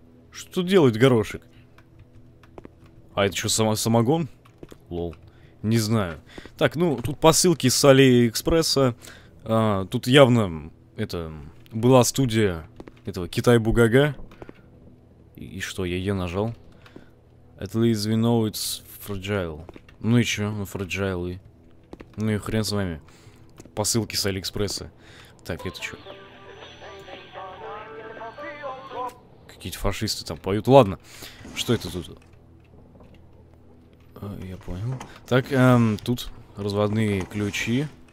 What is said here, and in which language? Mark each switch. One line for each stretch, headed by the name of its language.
Russian: Что тут делает горошек? А это что, самогон? Лол. Не знаю. Так, ну, тут посылки с Алиэкспресса. Тут явно это... была студия этого Китай Бугага. И что, я Е нажал?
English: At least we know it's fragile.
Russian: Ну и чё, ну fragile и... ну и хрен с вами. Посылки с Алиэкспресса. Так, это чё? Какие-то фашисты там поют. Ладно, что это тут? Я понял. Так, тут разводные ключи.